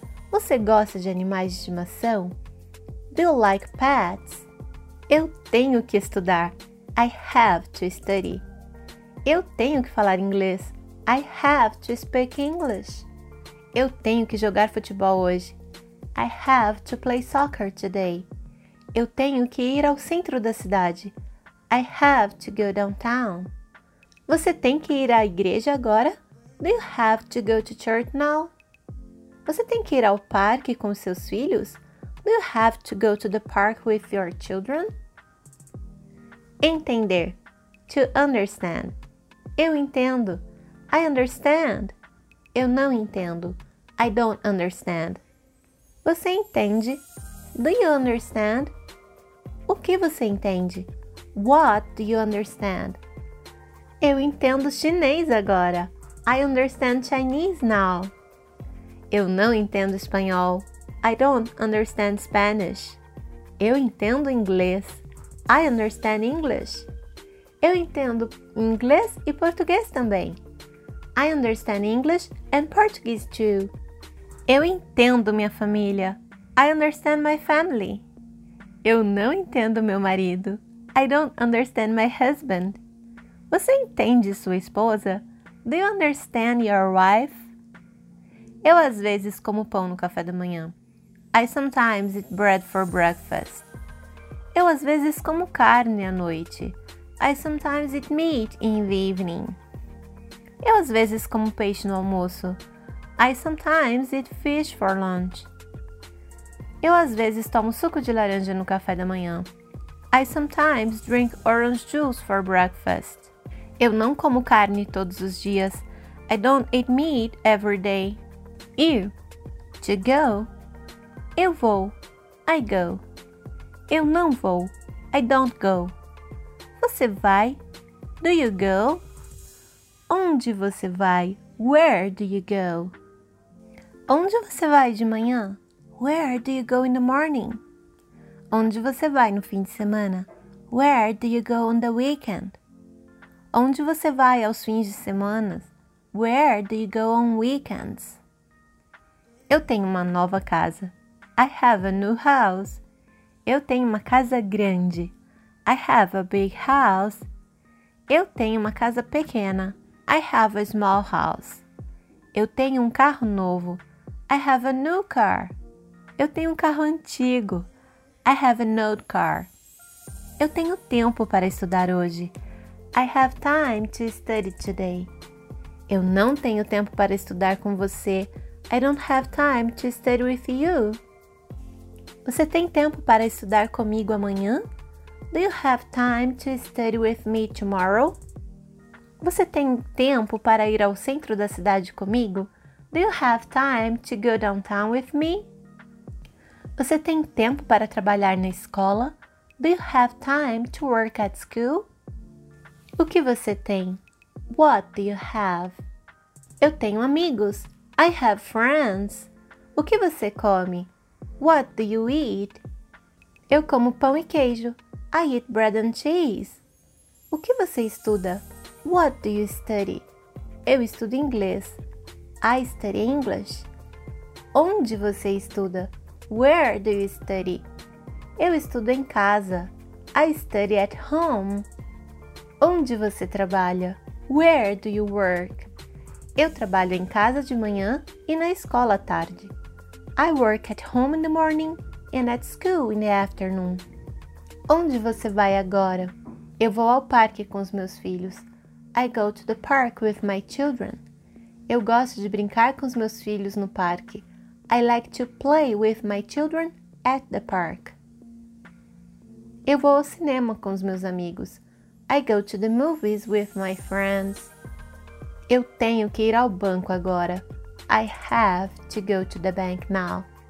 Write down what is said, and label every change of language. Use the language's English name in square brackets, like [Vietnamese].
[Portuguese] Você gosta de animais de estimação? [English] Do you like pets? [Portuguese] Eu tenho que estudar. [English] I have to study. [Portuguese] Eu tenho que falar inglês. [English] I have to speak English. [Portuguese] Eu tenho que jogar futebol hoje. [English] I have to play soccer today. [Portuguese] Eu tenho que ir ao centro da cidade. [English] I have to go downtown. [Portuguese] Você tem que ir à igreja agora? [English] Do you have to go to church now? [Portuguese] Você tem que ir ao parque com seus filhos? [English] Do you have to go to the park with your children? [Portuguese] Entender. [English] To understand. [Portuguese] Eu entendo. [English] I understand. [Portuguese] Eu não entendo. [English] I don't understand. [Portuguese] Você entende? [English] Do you understand? [Portuguese] O que você entende? [English] What do you understand? [Portuguese] Eu entendo chinês agora. [English] I understand Chinese now. [Portuguese] Eu não entendo espanhol. [English] I don't understand Spanish. [Portuguese] Eu entendo inglês. [English] I understand English. [Portuguese] Eu entendo inglês e português também. [English] I understand English and Portuguese too. [Portuguese] Eu entendo minha família. [English] I understand my family. [Portuguese] Eu não entendo meu marido. [English] I don't understand my husband. [Portuguese] Você entende sua esposa? [English] Do you understand your wife? [Portuguese] Eu às vezes como pão no café da manhã. [English] I sometimes eat bread for breakfast. [Portuguese] Eu às vezes como carne à noite. [English] I sometimes eat meat in the evening. [Portuguese] Eu às vezes como peixe no almoço. [English] I sometimes eat fish for lunch. [Portuguese] Eu às vezes tomo suco de laranja no café da manhã. [English] I sometimes drink orange juice for breakfast. [Portuguese] Eu não como carne todos os dias. [English] I don't eat meat every day. [Portuguese] Ir. [English] To go. [Portuguese] Eu vou. [English] I go. [Portuguese] Eu não vou. [English] I don't go. [Portuguese] Você vai? [English] Do you go? [Portuguese] Onde você vai? [English] Where do you go? [Portuguese] Onde você vai de manhã? [English] Where do you go in the morning? [Portuguese] Onde você vai no fim de semana? [English] Where do you go on the weekend? [Portuguese] Onde você vai aos fins de semana? [English] Where do you go on weekends? [Portuguese] Eu tenho uma nova casa. [English] I have a new house. [Portuguese] Eu tenho uma casa grande. [English] I have a big house. [Portuguese] Eu tenho uma casa pequena. [English] I have a small house. [Portuguese] Eu tenho um carro novo. [English] I have a new car. [Portuguese] Eu tenho um carro antigo. [English] I have an old car. [Portuguese] Eu tenho tempo para estudar hoje. [English] I have time to study today. [Portuguese] Eu não tenho tempo para estudar com você. [English] I don't have time to study with you. [Portuguese] Você tem tempo para estudar comigo amanhã? [English] Do you have time to study with me tomorrow? [Portuguese] Você tem tempo para ir ao centro da cidade comigo? [English] Do you have time to go downtown with me? [Portuguese] Você tem tempo para trabalhar na escola? [English] Do you have time to work at school? [Portuguese] O que você tem? [English] What do you have? [Portuguese] Eu tenho amigos. [English] I have friends. [Portuguese] O que você come? [English] What do you eat? [Portuguese] Eu como pão e queijo. [English] I eat bread and cheese. [Portuguese] O que você estuda? [English] What do you study? [Portuguese] Eu estudo inglês. [English] I study English. [Portuguese] Onde você estuda? [English] Where do you study? [Portuguese] Eu estudo em casa. [English] I study at home. [Portuguese] Onde você trabalha? [English] Where do you work? [Portuguese] Eu trabalho em casa de manhã e na escola à tarde. [English] I work at home in the morning and at school in the afternoon. [Portuguese] Onde você vai agora? Eu vou ao parque com os meus filhos. [English] I go to the park with my children. [Portuguese] Eu gosto de brincar com os meus filhos no parque. [English] I like to play with my children at the park. [Portuguese] Eu vou ao cinema com os meus amigos. [English] I go to the movies with my friends. [Portuguese] Eu tenho que ir ao banco agora. [English] I have to go to the bank now.